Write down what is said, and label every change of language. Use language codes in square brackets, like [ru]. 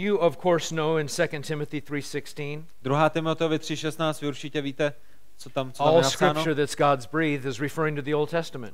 [en] You of course know in 2 Timothy 3:16. [cs] 2. Timoteovi 3:16, vy určitě víte, co tam je napsáno. [en] All scripture that's God's breathed is referring to the Old Testament.